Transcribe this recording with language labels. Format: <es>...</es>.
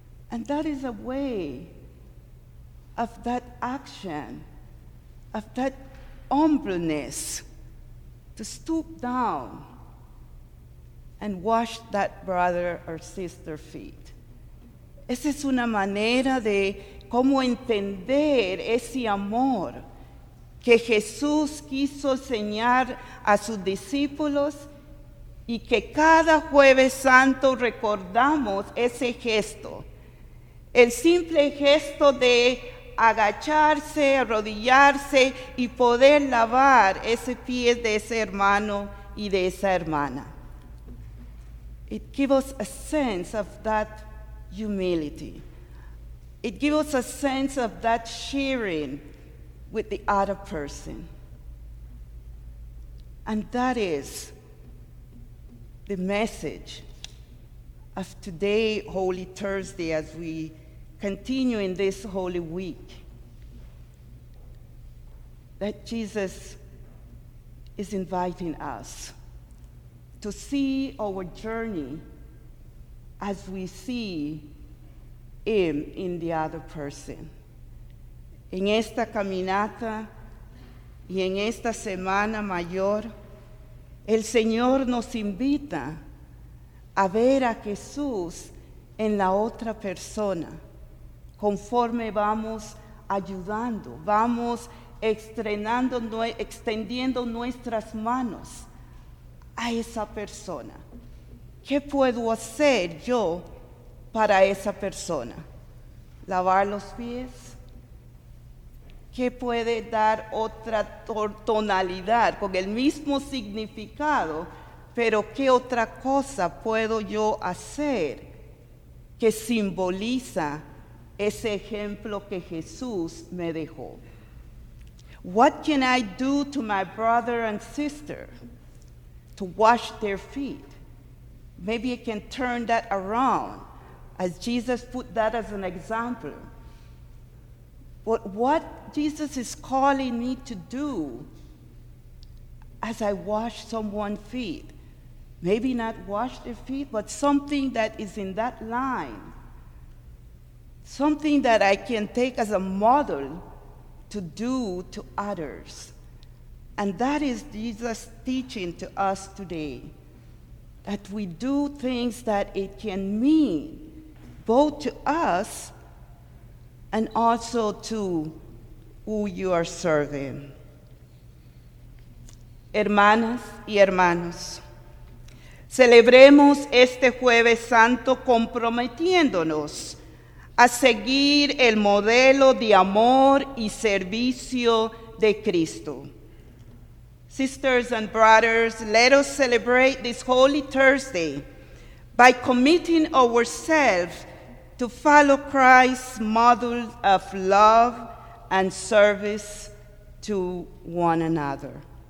<en>And that is a way of that action, of that humbleness, to stoop down and wash that brother or sister feet.</en> <es>Esa es una manera de cómo entender ese amor que Jesús quiso enseñar a sus discípulos y que cada Jueves Santo recordamos ese gesto. El simple gesto de agacharse, arrodillarse y poder lavar ese pie de ese hermano y de esa hermana.</es> <en>It gives us a sense of that humility. It gives us a sense of that sharing with the other person. And that is the message of today, Holy Thursday, as we continue in this Holy Week. That Jesus is inviting us to see our journey as we see Him in the other person.</en> <es>En esta caminata y en esta semana mayor, el Señor nos invita a ver a Jesús en la otra persona conforme vamos ayudando, vamos extendiendo nuestras manos a esa persona. ¿Qué puedo hacer yo para esa persona? ¿Lavar los pies? ¿Qué puede dar otra tonalidad con el mismo significado, pero qué otra cosa puedo yo hacer que simboliza ese ejemplo que Jesús me dejó?</es> <en>What can I do to my brother and sister to wash their feet? Maybe I can turn that around, as Jesus put that as an example. But what Jesus is calling me to do as I wash someone's feet, maybe not wash their feet, but something that is in that line, something that I can take as a model to do to others. And that is Jesus' teaching to us today, that we do things that it can mean both to us and also to who you are serving.</en> <es>Hermanas y hermanos, celebremos este Jueves Santo comprometiéndonos a seguir el modelo de amor y servicio de Cristo.</es> <en>Sisters and brothers, let us celebrate this Holy Thursday by committing ourselves to follow Christ's model of love and service to one another.</en>